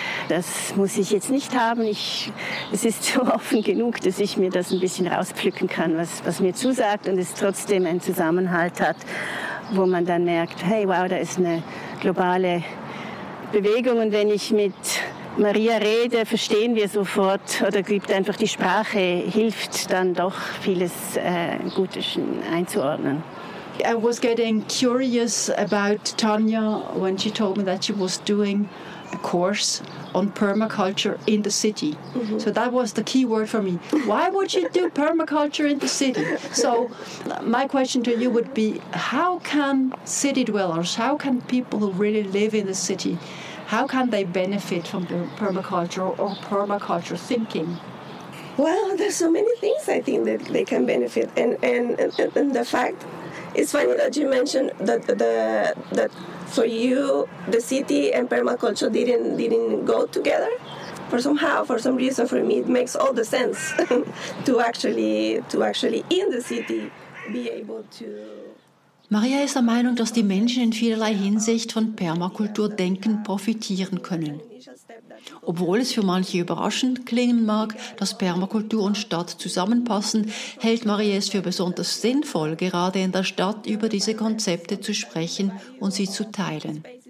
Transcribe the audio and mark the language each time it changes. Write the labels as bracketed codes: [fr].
[de] Das muss ich jetzt nicht haben. Es ist so offen genug, dass ich mir das ein bisschen rauspflücken kann, was mir zusagt und es trotzdem einen Zusammenhalt hat, wo man dann merkt, hey, wow, da ist eine globale Bewegung und wenn ich mit Maria rede, verstehen wir sofort oder gibt einfach die Sprache, hilft dann doch vieles gut einzuordnen. [en] I was getting curious about Tanya when she told me that she was doing a course on permaculture in the city. Mm-hmm. So that was the key word for me. Why would you do permaculture in the city? So my question to you would be, how can city dwellers, how can people who really live in the city, how can they benefit from the permaculture or permaculture thinking? Well, there's so many things I think that they can benefit. And the fact... It's funny that you mentioned that for you the city and permaculture didn't go together. For some reason, for me it makes all the sense to actually in the city be able to. [de] Maria ist der Meinung, dass die Menschen in vielerlei Hinsicht von Permakulturdenken profitieren können. Obwohl es für manche überraschend klingen mag, dass Permakultur und Stadt zusammenpassen, hält Maria es für besonders sinnvoll, gerade in der Stadt über diese Konzepte zu sprechen und sie zu teilen.